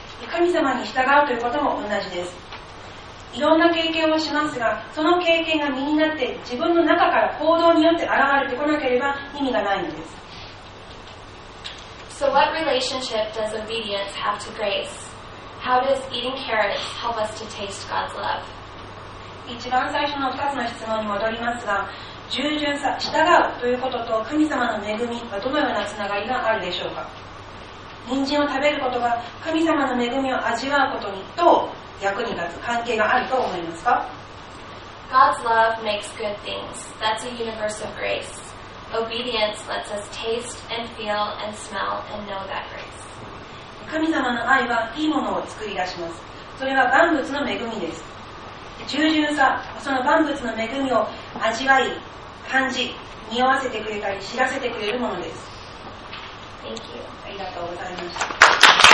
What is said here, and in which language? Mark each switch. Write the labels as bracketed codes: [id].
[ja] 神様に従うということも同じです。いろんな経験をしますが、その経験が身になって自分の中から行動によって現れてこなければ意味がないのです。 [en] So what relationship does obedience have to grace? How does eating carrots help us to taste God's love? [ja] 一番最初の2つの質問に戻りますが、従順さ、従うということと神様の恵みはどのようなつながりがあるでしょうか。人参を食べることが神様の恵みを味わうことにどう役に立つ関係があると思いますか。 [en] God's love makes good things. That's a universe of grace. Obedience lets us taste and feel and smell and know that grace. [ja] 神様の愛はいいものを作り出します。それは万物の恵みです。従順さ、その万物の恵みを味わい、感じ、匂わせてくれたり、知らせてくれるものです。 [en] Thank you. [ja] ありがとうございました。